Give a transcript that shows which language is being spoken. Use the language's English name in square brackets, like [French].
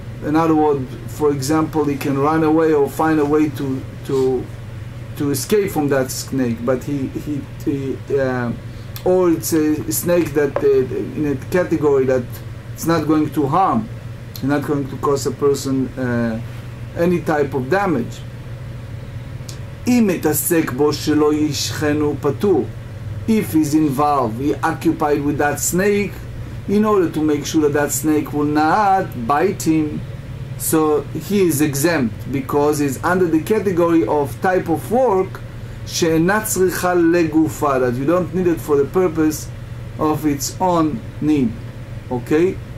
[English] In other words, for example, he can run away or find a way to escape from that snake. But or it's a snake that in a category that it's not going to harm, not going to cause a person any type of damage. [Hebrew] אם מתעסק בו שלא ישכנו פטור. [English] If he's involved, he occupied with that snake, in order to make sure that snake will not bite him, so he is exempt, because he's under the category of type of work [Hebrew] שאינה צריכה לגופה, [English] that you don't need it for the purpose of its own need. Okay?